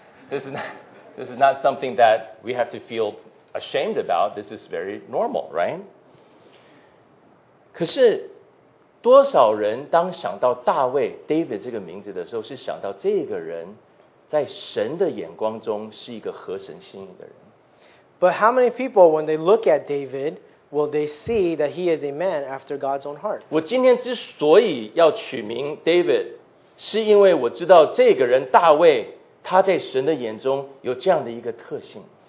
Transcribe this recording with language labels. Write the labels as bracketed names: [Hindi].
[English] This is not something that we have to feel ashamed about. This is very normal, right? 可是。 [Chinese] 多少人当想到大卫 David 这个名字的时候，是想到这个人在神的眼光中是一个合神心意的人。 [English] But how many people, when they look at David, will they see that he is a man after God's own heart? [Chinese] 我今天之所以要取名 David, 是因为我知道这个人大卫他在神的眼中有这样的一个特性。